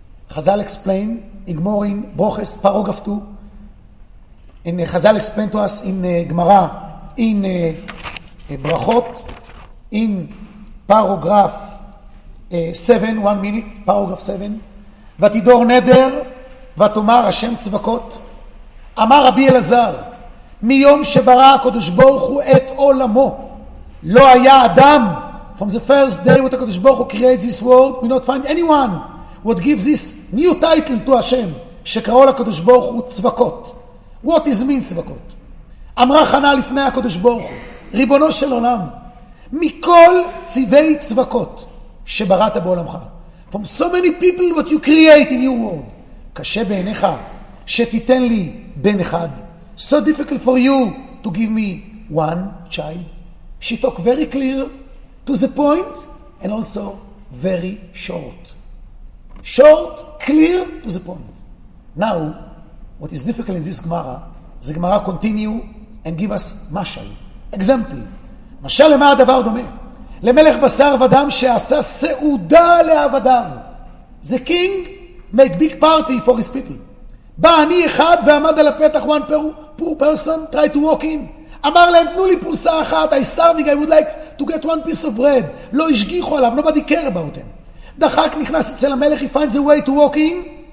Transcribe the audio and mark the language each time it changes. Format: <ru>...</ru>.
<en>Chazal explained in Gemara in Brochos, paragraph 2. And Chazal explained to us in Gemara, in Brachot, in paragraph 7, 1 minute, paragraph 7.</en> <he>Vatidor neder, vatomar Hashem tzvakot. Amar Rabbi Elazar, מיום שברא הקדוש ברוך הוא את עולמו, לא היה אדם.</he> <en>From the first day when HaKadosh Baruch Hu created this world, we not find anyone would give this new title to Hashem,</en> <he>שקראו לקדוש ברוך הוא צבקות.</he> <en>What is mean צבקות?</en> <he>אמרה חנה לפני הקדוש ברוך הוא, ריבונו של עולם, מכל צבעי צבקות שבראת בעולמך,</he> <en>from so many people what you create in your world,</en> <he>קשה בעיניך שתיתן לי בן אחד,</he> <en>so difficult for you to give me one child. She talk very clear to the point and also very short. Short, clear to the point. Now, what is difficult in this Gemara, the Gemara continue and give us mashal, example.</en> <he>Mashal, למה הדבר דומה? למלך בשר ודם שעשה סעודה לעבדיו.</he> <en>The king made big party for his people.</en> <he>בא אני אחד ועמד על הפתח,</he> <en>one poor person tried to walk in.</en> <he>אמר להם, תנו לי פרוסה אחת,</he> <en>I starving, I would like to get one piece of bread.</en> <he>לא השגיחו עליו,</he> <en>nobody care about him.</en> <he>דחק, נכנס אצל המלך,</he> <en>he finds a way to walk in.</en>